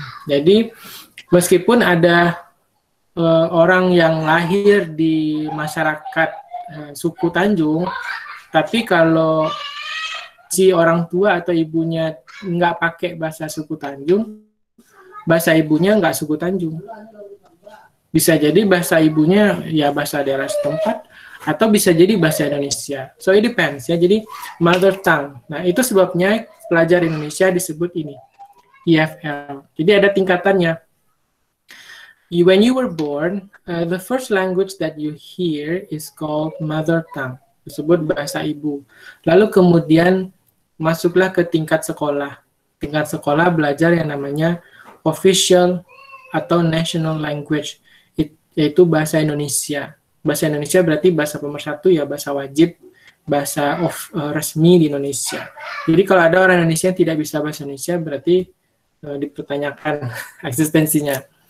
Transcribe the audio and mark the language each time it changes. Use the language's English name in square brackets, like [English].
[Indonesian] Jadi, meskipun ada orang yang lahir di masyarakat suku Tanjung, tapi kalau si orang tua atau ibunya nggak pakai bahasa suku Tanjung, bahasa ibunya nggak suku Tanjung. Bisa jadi bahasa ibunya ya bahasa daerah setempat, atau bisa jadi bahasa Indonesia. [English] So it depends [Indonesian] ya, jadi mother tongue. Nah itu sebabnya pelajar Indonesia disebut ini, EFL. Jadi ada tingkatannya. [English] When you were born, the first language that you hear is called mother tongue, [Indonesian] disebut bahasa ibu. Lalu kemudian masuklah ke tingkat sekolah. Tingkat sekolah belajar yang namanya official atau national language, yaitu bahasa Indonesia. Bahasa Indonesia berarti bahasa pemersatu ya, bahasa wajib, bahasa resmi di Indonesia. Jadi kalau ada orang Indonesia yang tidak bisa bahasa Indonesia, berarti dipertanyakan eksistensinya.